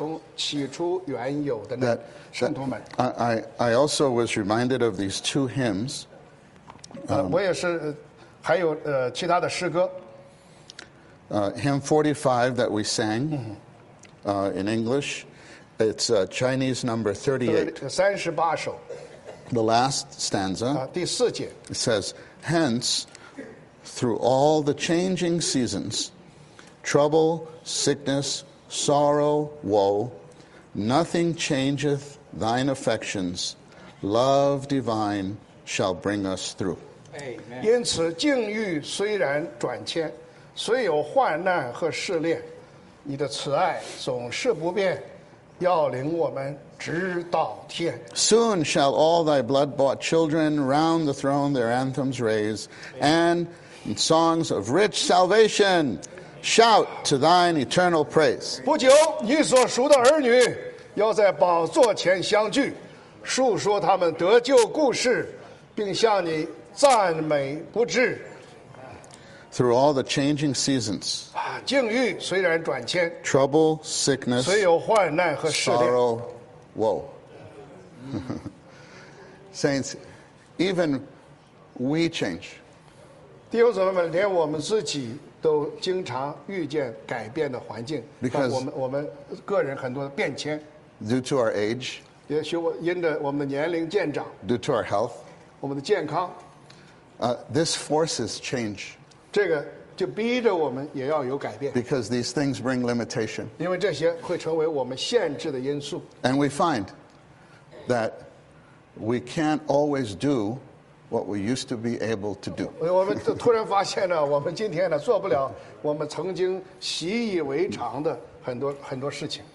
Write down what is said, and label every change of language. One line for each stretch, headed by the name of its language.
Chinese: 我们都是从起初认识那从起初原有的那圣徒们。
English: I also was reminded of these two hymns.
Chinese: 我也是还有其他的诗歌。
English: Hymn 45 that we sang in English, it's Chinese number 38.
Chinese: 38首,
English: the last stanza,
Chinese: 第四节,
English: it says, hence, through all the changing seasons, trouble, sickness, sorrow, woe, nothing changeth thine affections, love divine shall bring us through. Amen.
Chinese: 因此境遇虽然转迁, 虽有患难和试炼, 你的慈爱总是不变, 要领我们直到天。
English: Soon shall all thy blood-bought children round the throne their anthems raise, and in songs of rich salvation shout to thine eternal praise.
Chinese: 不久，你所赎的儿女要在宝座前相聚, 述说他们得救故事, 并向你赞美不至。
English: Through all the changing seasons,
Chinese: 境遇虽然转迁,
English: trouble, sickness,
Chinese: 虽有患难和试炼,
English: sorrow, woe. Saints, even we change.
Chinese: 弟兄姊妹们, 连我们自己都经常遇见改变的环境,
English: because
Chinese: 我们个人很多变迁,
English: due to our age,
Chinese: 也许因着我们的年龄渐长,
English: due to our health,
Chinese: 我们的健康,
English: this forces change.
Chinese: 这个就逼着我们也要有改变,
English: because these things bring limitation.
Chinese: 因为这些会成为我们限制的因素。
English: And we find that we can't always do what we used to be able to do.
Chinese: 我们突然发现呢, 我们今天呢, 做不了我们曾经习以为常的很多事情。